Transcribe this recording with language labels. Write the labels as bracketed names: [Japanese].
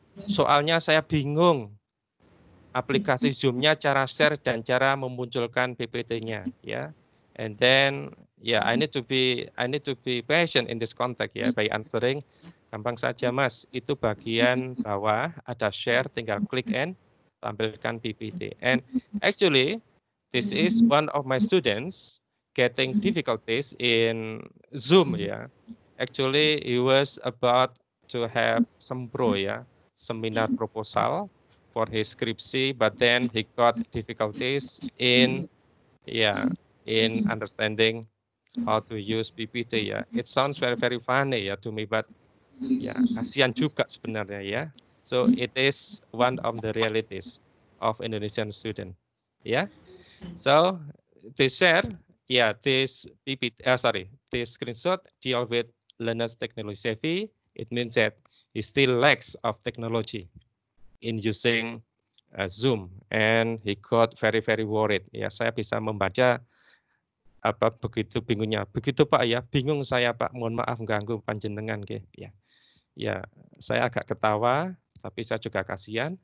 [Indonesian] Soalnya saya bingung aplikasi Zoom-nya cara share dan cara memunculkan PPT-nya, ya. [English] And then, yeah, I need to be patient in this context, ya. By answering, [Indonesian] gampang saja Mas. Itu bagian bawah ada share, tinggal klik and tampilkan PPT. [English] And actually, this is one of my students getting difficulties in Zoom, ya. Actually, he was about to have sempro, ya, seminar proposal for his skripsi, but then he got difficulties in, yeah, in understanding how to use PPT, ya. It sounds very very funny, ya, to me, but ya, [Indonesian] kasihan juga sebenarnya, [English] ya. So it is one of the realities of Indonesian student, ya. So they share, ya, this PPT, this screenshot deal with learner's technology savvy. It means that he still lacks of technology in using Zoom, and he got very very worried. [Indonesian] Ya, saya bisa membaca apa begitu bingungnya. Begitu Pak, ya, bingung saya Pak. Mohon maaf ganggu panjenengan, ke? Ya, ya, saya agak ketawa, tapi saya juga kasihan.